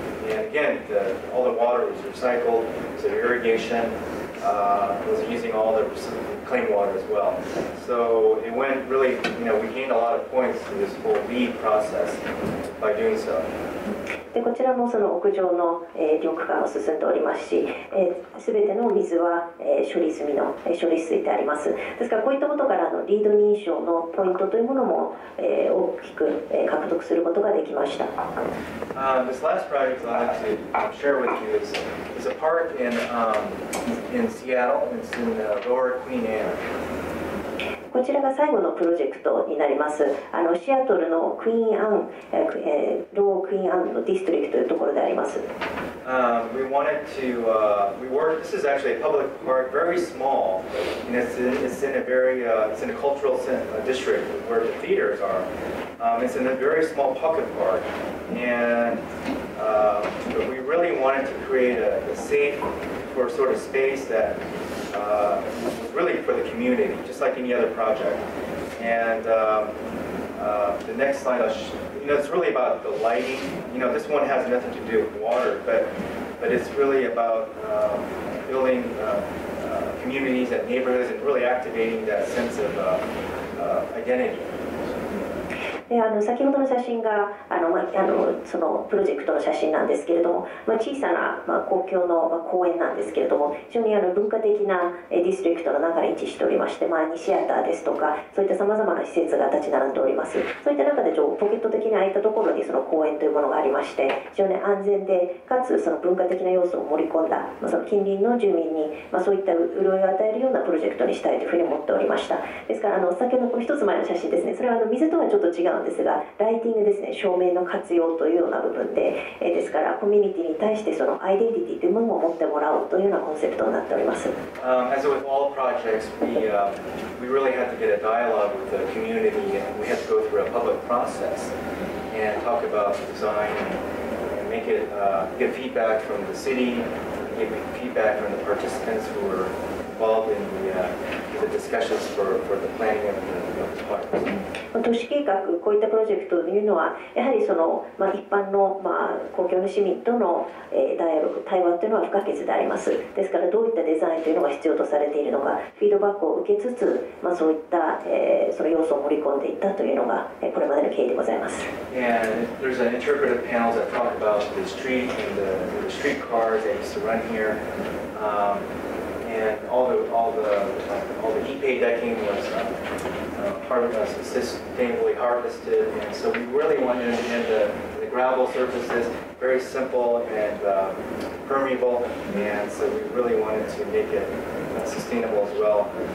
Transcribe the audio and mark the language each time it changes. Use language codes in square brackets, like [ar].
[en] And again, all the water was recycled, so irrigation was using all the clean water as well. So it went really, you know, we gained a lot of points through this whole LEED process by doing so. [ja] でこちらもその屋上の、緑化を進んでおりますし、全ての水は、処理済みの、処理水であります。ですからこういったことからのLEED認証のポイントというものも、大きく、獲得することができました。 [en] This last project I'd like to share with you is a park in Seattle. It's in the Lower Queen Anne. [ja] こちらが最後のプロジェクトになります。あのシアトルのクイーンアン、ロークイーンアンのディストリクトというところであります。 [en] We wanted to, we worked, this is actually a public park, very small, and it's in a very, it's in a cultural district where the theaters are. It's in a very small pocket park, and but we really wanted to create a safe for sort of space thatreally for the community, just like any other project. And the next slide, you know, it's really about the lighting. You know, this one has nothing to do with water, but it's really about building communities and neighborhoods and really activating that sense of identity. [ja] であの先ほどの写真があの、ま、あのそのプロジェクトの写真なんですけれども、ま、小さな、ま、公共の、ま、公園なんですけれども、非常にあの文化的なディストリクトの中に位置しておりまして、まあ、シアターですとかそういった様々な施設が立ち並んでおります。そういった中でちょポケット的に空いたところにその公園というものがありまして、非常に安全でかつその文化的な要素を盛り込んだ、ま、その近隣の住民に、ま、そういった潤いを与えるようなプロジェクトにしたいというふうに思っておりました。ですからあの先ほどの一つ前の写真ですね、それはあの水とはちょっと違うですが、ライティングですね、照明の活用というような部分で、ですからコミュニティに対してそのアイデンティティというものを持ってもらおうというようなコンセプトになっております。 [en] As with all projects, we really had to get a dialogue with the community, and we had to go through a public process and talk about design and make it, get feedback from the city, give feedback from the participants who were involved in the discussions for the planning of the park. [ja] 都市計画、こういったプロジェクトというのはやはりその、まあ、一般の、まあ、公共の市民との、ダイアログ、対話というのは不可欠であります。ですからどういったデザインというのが必要とされているのか、フィードバックを受けつつ、まあ、そういった、その要素を盛り込んでいったというのが、これまでの経緯でございます。 [en] And there's an interpretive panel that talk about the street and the street cars that used to run here、and all the e-pay decking was、part of us is sustainably harvested, and so we really wanted in the gravel surfaces very simple and permeable, and so we really wanted to make it sustainable as well.